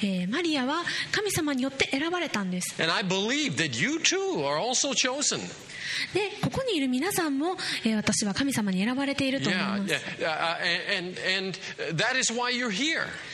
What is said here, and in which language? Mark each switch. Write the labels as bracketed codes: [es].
[ja] マリアは神様によって選ばれたんです。 [en] And I believe that you too are also chosen. [ja] でここにいる皆さんも、私は神様に選ばれていると思います。 [en] Yeah, yeah, and that is why you're here.